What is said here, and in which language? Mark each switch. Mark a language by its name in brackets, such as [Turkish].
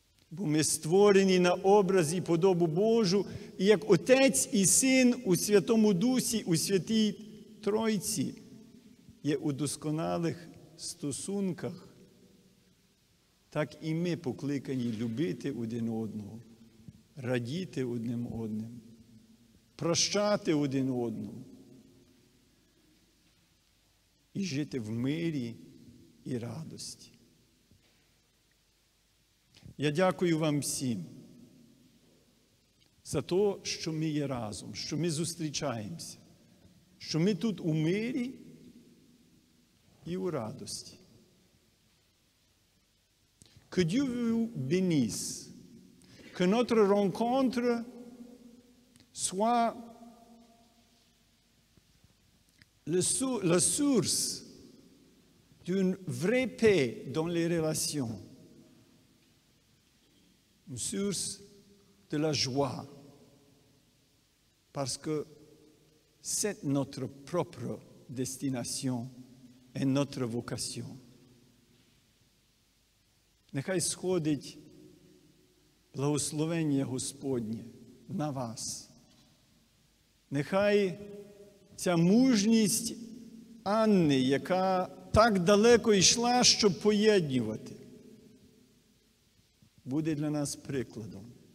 [Ukrainian] Бо ми створені на образ і подобу Божу, і як Отець і Син у Святому Дусі, у Святій Тройці є у досконалих стосунках, так і ми покликані любити один одного, радіти одним одним, прощати один одному і жити в мирі і радості. Я дякую вам всім за те, що ми є разом, що ми зустрічаємося, що ми тут у мирі і у радості. [French] Que Dieu vous bénisse, que notre rencontre soit la source d'une vraie paix dans les relations, une source de la joie, parce que c'est notre propre destination et notre vocation. [Ukrainian] Нехай сходить благословення Господнє на вас. Нехай ця мужність Анни, яка так далеко йшла, щоб поєднувати, буде для нас прикладом.